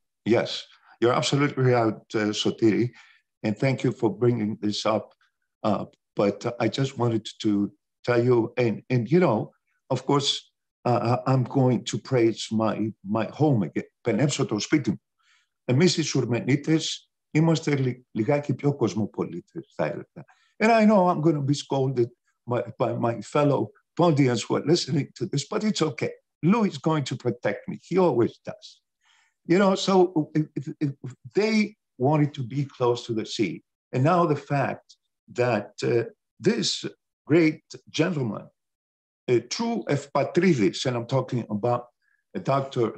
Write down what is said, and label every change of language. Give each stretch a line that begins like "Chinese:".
English: Yes, you're absolutely right, Sotiri. And thank you for bringing this up. But I just wanted to tell you, and you know, of course, I'm going to praise my home again,
Greek: πενέψω το σπίτι μου. Εμείς οι Σουρμενίτες είμαστε λιγάκι πιο κοσμοπολίτες, θα έλεγα.
English: And I know I'm going to be scolded by my fellow Pontians who are listening to this, but it's okay. Lou is going to protect me. He always does. You know, so if they wanted to be close to the sea. And now the fact that this great gentleman, a true Ευπατρίδης, and I'm talking about Dr.